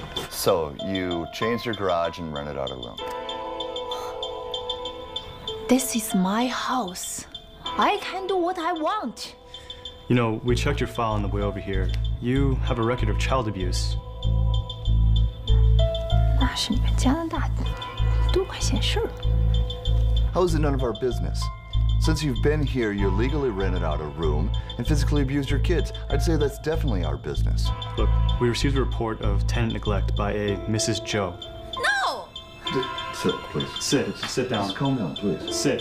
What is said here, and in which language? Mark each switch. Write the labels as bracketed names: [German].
[English] So you changed your garage and rented out a room. This is my house. I can do what I want. You know, we checked your file on the way over here. You have a record of child abuse. [Chinese] 那是你们加拿大多管闲事儿。 [English] How is it none of our business? Since you've been here, you legally rented out a room and physically abused your kids. I'd say that's definitely our business. Look, we received a report of tenant neglect by a Mrs. Joe. No! Sit, please. Sit down. Just calm down, please. Sit.